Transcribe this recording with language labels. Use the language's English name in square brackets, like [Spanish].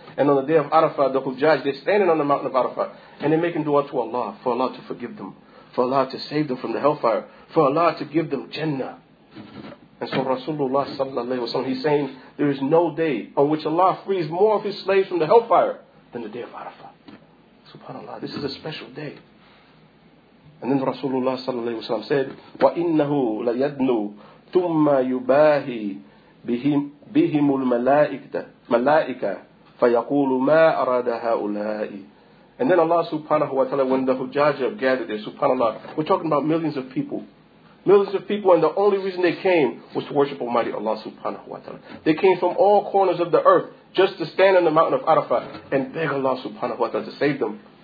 [English] And on the day of Arafah, the Hujjaj, they're standing on the mountain of Arafah, and they're making dua to Allah, for Allah to forgive them, for Allah to save them from the hellfire, for Allah to give them Jannah. And so Rasulullah sallallahu alayhi wa sallam, he's saying, there is no day on which Allah frees more of his slaves from the hellfire than the day of Arafah. SubhanAllah, this is a special day. And then Rasulullah sallallahu alayhi wa sallam said, [Arabic] وَإِنَّهُ لَيَدْنُوا ثُمَّ يُبَاهِي بهم الملائكة فيقول ما أراد هؤلاء. [English] And then Allah subhanahu wa ta'ala, when the Hujjaj gathered there, subhanAllah, we're talking about millions of people. Millions of people, and the only reason they came was to worship Almighty Allah subhanahu wa ta'ala. They came from all corners of the earth just to stand on the mountain of Arafah and beg Allah subhanahu wa ta'ala to save them.